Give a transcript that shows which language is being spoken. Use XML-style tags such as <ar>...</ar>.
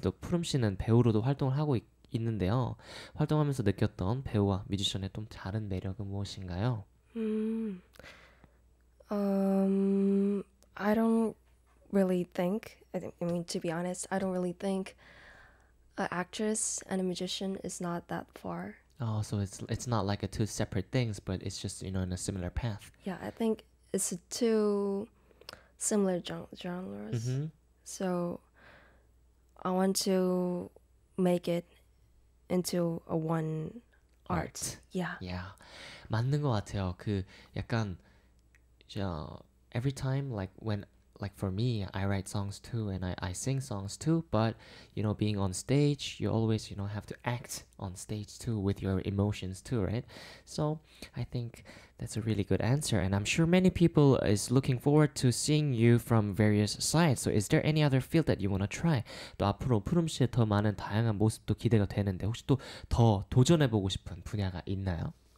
<ko>또 푸름 씨는 배우로도 활동을 하고 있는데요. 활동하면서 느꼈던 배우와 뮤지션의 좀 다른 매력은 무엇인가요?</ko> <en>I don't really think, I mean, to be honest, I don't really think an actress and a magician is not that far. Oh, so it's not like a two separate things, but it's just, you know, in a similar path. Yeah, I think it's two similar genres. Mm-hmm. So I want to make it into a one art. Yeah.</en> <ko>Yeah. 맞는 것 같아요. 그 약간 저</ko> <en>every time like when like for me, I write songs too and I sing songs too, but you know, being on stage, you always, you know, have to act on stage too with your emotions too, right? So I think that's a really good answer, and I'm sure many people is looking forward to seeing you from various sides. So is there any other field that you want to try?</en> <ko>또 앞으로 푸름 씨의 더 많은 다양한 모습도 기대가 되는데 혹시 또 더 도전해보고 싶은 분야가 있나요?</ko>